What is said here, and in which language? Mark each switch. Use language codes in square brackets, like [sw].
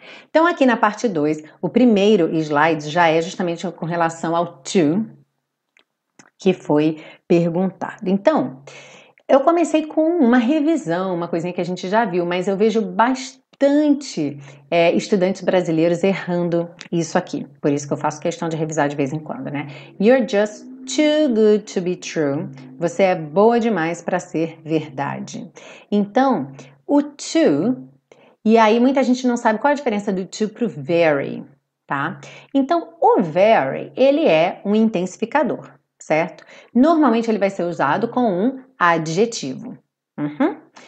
[pt] Então, aqui na parte 2, o primeiro slide já é justamente com relação ao to, que foi perguntado. Então, eu comecei com uma revisão, uma coisinha que a gente já viu, mas eu vejo bastante estudantes brasileiros errando isso aqui. Por isso que eu faço questão de revisar de vez em quando, né? [en] You're just too good to be true. [pt] Você é boa demais para ser verdade. Então, o to, e aí muita gente não sabe qual a diferença do to pro very, tá? Então, o very, ele é um intensificador, certo? Normalmente ele vai ser usado com um adjetivo. Uhum.